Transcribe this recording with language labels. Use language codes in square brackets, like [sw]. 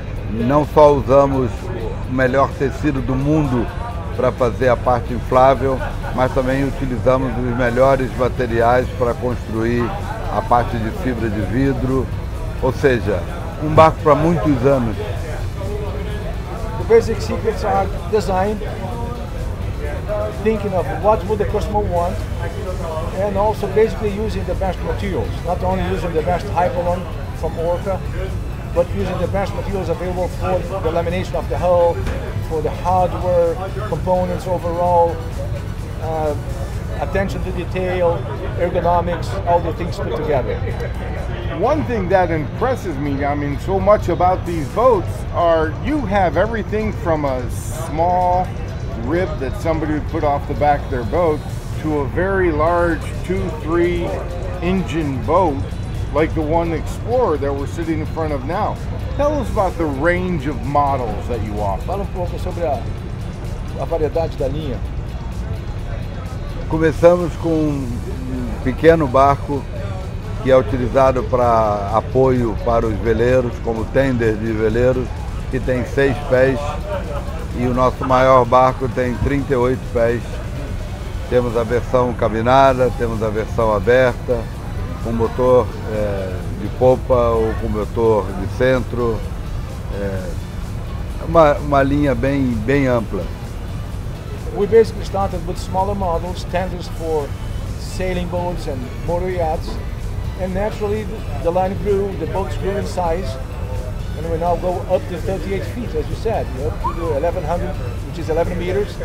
[pt] Não só usamos o melhor tecido do mundo para fazer a parte inflável, mas também utilizamos os melhores materiais para construir a parte de fibra de vidro, ou seja, um barco para muitos anos. [en] The basic secrets are design, thinking of what would the customer want, and also basically using the best materials, not only using the best hypalon from Orca, but using the best materials available for the lamination of the hull, for the hardware components overall, attention to detail, ergonomics, all the things put together. One thing that impresses me, I mean, so much about these boats are you have everything from a small rib that somebody would put off the back of their boat to a very large 2-3 engine boat like the one Explorer that we're sitting in front of now. Tell us about the range of models that you offer. [pt] Fala um pouco sobre a variedade da linha. Começamos com um pequeno barco que é utilizado para apoio para os veleiros, como tender de veleiros, que tem 6 pés e o nosso maior barco tem 38 pés. Temos a versão cabinada, temos a versão aberta, com motor de popa ou com motor de centro. Uma linha bem ampla. [en] We basically started with smaller models, tenders for sailing boats and motor yachts. And naturally, the line grew, the boats grew in size. And we now go up to 38 feet, as you said, up to the 1100, which is 11 meters.